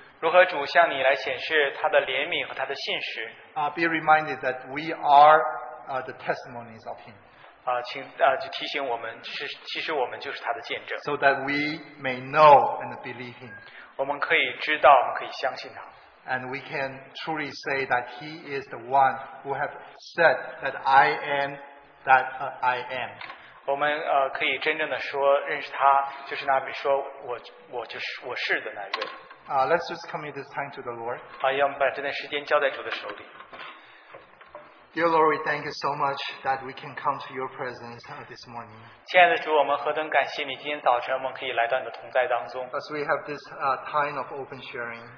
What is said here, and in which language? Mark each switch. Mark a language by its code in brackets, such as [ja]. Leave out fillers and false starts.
[zh] 如何主向你来显示他的怜悯和他的信实, [en] be reminded that we are the testimonies of him. [zh] 请提醒我们, [en] so that we may know and believe him. [zh] 我们可以知道, 我们可以相信他, [en] and we can truly say that he is the one who has said that I am that I am. [zh] 我们, 可以真正的说, 认识他, 就是那位说, 我就是我是的那位。 [en] Let's just commit this time to the Lord. [zh] 要把这段时间交在主的手里。 [en] Dear Lord, we thank you so much that we can come to your presence this morning. [zh] 亲爱的主，我们何等感谢你今天早晨我们可以来到你的同在当中。 [en] As we have this time of open sharing,